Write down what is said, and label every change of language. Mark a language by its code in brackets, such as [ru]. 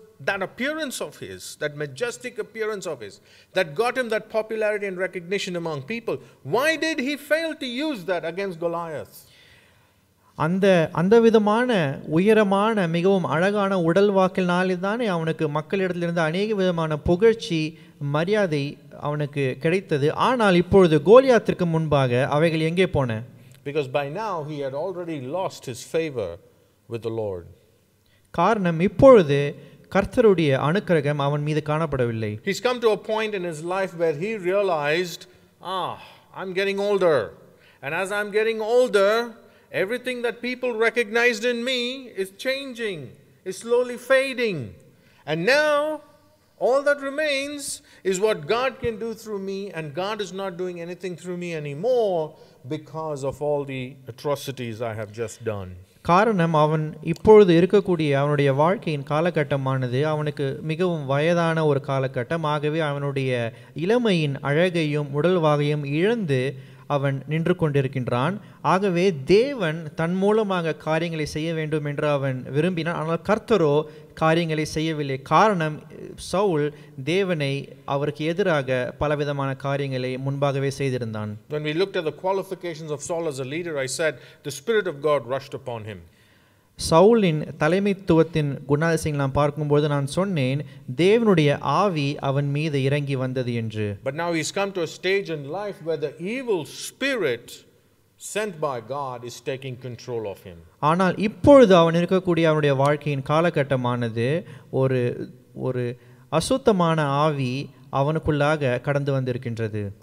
[en] That appearance of his, that majestic appearance of his, that got him that popularity and recognition among people. Why did he fail to use that against Goliath? [ta] அந்த விதமான உயரமான மிகவும் அழகான உடல் வாக்கினாலேதானே அவனுக்கு மக்களிடத்திலிருந்து அநேக விதமான புகழ்ச்சி மரியாதை அவனுக்கு கிடைத்தது. ஆனால் இப்பொழுது கோலியாத்திற்கு முன்பாக அவைகள் எங்கே போன? [en] Because by now he had already lost his favor with the Lord. [ta] காரணம் இப்பொழுது கர்த்தருடைய அனுக்கிரகம் அவன் மீது காணப்படவில்லை. [en] He's come to a point in his life where he realized, I'm getting older. And as I'm getting older, everything that people recognized in me is changing, is slowly fading. And now, all that remains is what God can do through me, and God is not doing anything through me anymore because of all the atrocities I have just done. [ta] காரணம் அவன் இப்பொழுது இருக்கக்கூடிய அவனுடைய வாழ்க்கையின் காலகட்டமானது அவனுக்கு மிகவும் வயதான ஒரு காலகட்டம். ஆகவே அவனுடைய இளமையின் அழகையும் உடல் வாகையும் இழந்து அவன் நின்று கொண்டிருக்கின்றான். ஆகவே தேவன் தன் மூலமாக காரியங்களை செய்ய வேண்டும் என்று அவன் விரும்பினான். ஆனால் கர்த்தரோ காரியங்களை செய்யவில்லை. காரணம் சவுல் தேவனை அவருக்கு எதிராக பலவிதமான காரியங்களை முன்பாகவே செய்திருந்தான். [en] When we looked at the qualifications of Saul as a leader, I said the Spirit of God rushed upon him. [ta] சவுலின் தலைமைத்துவத்தின் குணாதிசயங்களை நாம் பார்க்கும்போது நான் சொன்னேன் தேவனுடைய ஆவி அவன் மீது இறங்கி வந்தது என்று. [en] But now he's come to a stage in life where the evil spirit sent by God is taking control of him. [ta] ஆனால் இப்பொழுது அவன் இருக்கக்கூடிய அவனுடைய வாழ்க்கையின் காலகட்டமானது ஒரு ஒரு அசுத்தமான ஆவி அவனுக்குள்ளாக கடந்து வந்திருக்கின்றது.